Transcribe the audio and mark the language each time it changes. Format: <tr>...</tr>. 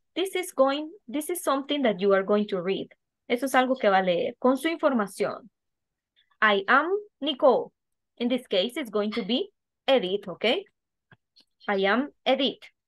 <en>This is something that you are going to read.</en> <es>Eso es algo que va a leer con su información.</es> <en>I am Nicole. In this case, it's going to be Edith, okay? I am Edith.</en>